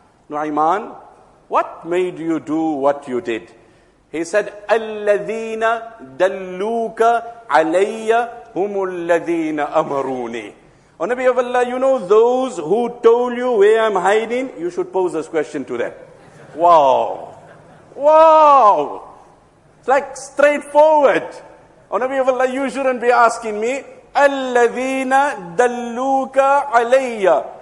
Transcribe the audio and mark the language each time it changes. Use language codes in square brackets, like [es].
[en] Nu'ayman, what made you do what you did? He said, [ar] الَّذِينَ دَلُّوكَ عَلَيَّ هُمُ الَّذِينَ أَمَرُونِ. [en] O Nabi of Allah, you know those who told you where I'm hiding? You should pose this question to them. Wow. Wow. It's like straightforward. O Nabi of Allah, you shouldn't be asking me. [ar] Alladhina dalluka alayya.